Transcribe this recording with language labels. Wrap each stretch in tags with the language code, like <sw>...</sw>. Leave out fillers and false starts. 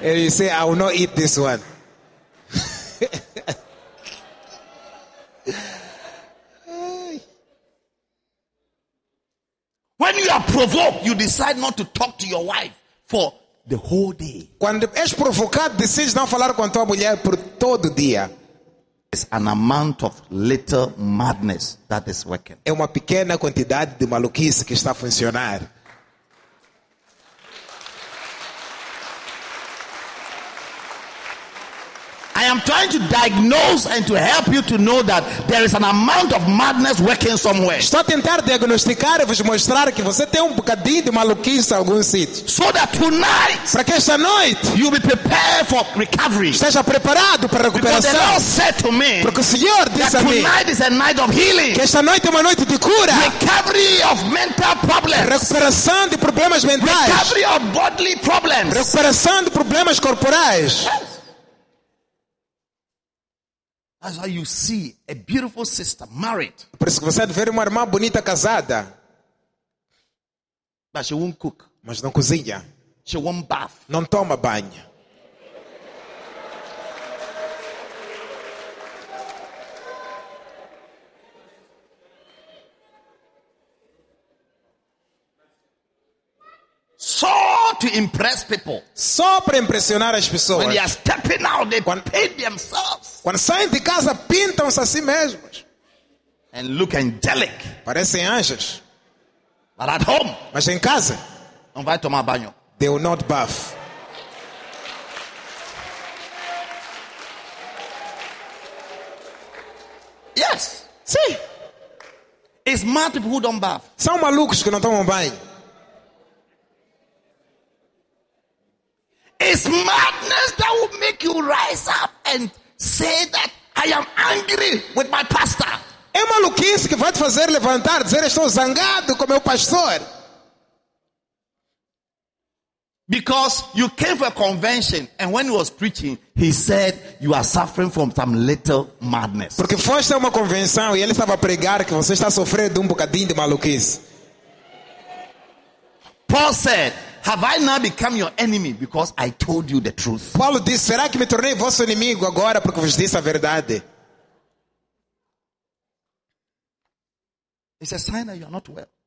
<en>And you say, I will not eat this one. When you are provoked, you decide not to talk to your wife for the whole day.</en> <pt>Quando és provocado, decides não falar com tua mulher por todo o dia.</pt> <en>It's an amount of little madness that is working.</en> <pt>É uma pequena quantidade de maluquice que está a funcionar.</pt> <en>I am trying to diagnose and to help you to know that there is an amount of madness working somewhere.</en> <pt>Estou a tentar diagnosticar e vos mostrar que você tem bocadinho de maluquice em algum sítio.</pt> <en>So that tonight,</en> <pt>para que esta noite,</pt> <en>you'll be prepared for recovery.</en> <pt>Esteja preparado para recuperação.</pt> <en>Because the Lord said to me,</en> <pt>porque o Senhor disse</pt> <en>that</en> <pt>a mim,</pt> <en>tonight is a night of healing.</en> <pt>Que esta noite é uma noite de cura.</pt> <en>Recovery of mental problems.</en> <pt>Recuperação de problemas mentais.</pt> <en>Recovery of bodily problems.</en> <pt>Recuperação de problemas corporais.</pt> <en>That's why you see a beautiful sister married.</en> <pt>Por isso que você vê uma irmã bonita casada.</pt> <en>But she won't cook.</en> <pt>Mas não cozinha.</pt> <en>She won't bath.</en> <pt>Não toma banho.</pt> <en>So to impress people.</en> <pt>Só para impressionar as pessoas.</pt> <en>When they are stepping out, they paint themselves.</en> <pt>Quando saem de casa, pintam-se a si mesmos.</pt> <en>And look angelic.</en> <pt>Parecem anjos.</pt> <en>But at home.</en> <pt>Mas em casa. Não vai tomar banho.</pt> <en>They will not bath. Yes.</en> <pt>Sim.</pt> <en>It's mad people who don't bath.</en> <pt>São malucos que não tomam banho.</pt> <en>It's madness that will make you rise up and say that I am angry with my pastor.</en> <pt>É maluquice que vai te fazer levantar, dizer estou zangado com meu pastor.</pt> <en>Because you came for a convention and when he was preaching, he said you are suffering from some little madness.</en> <pt>Porque foste a uma convenção e ele estava a pregar que você está a sofrer de bocadinho de maluquice.</pt> <en>Paul said, have I now become your enemy because I told you the truth?</en> <pt>Paulo disse, será que me tornei vosso inimigo agora porque vos disse a verdade?</pt> <en>It's a sign that you are not well.</en>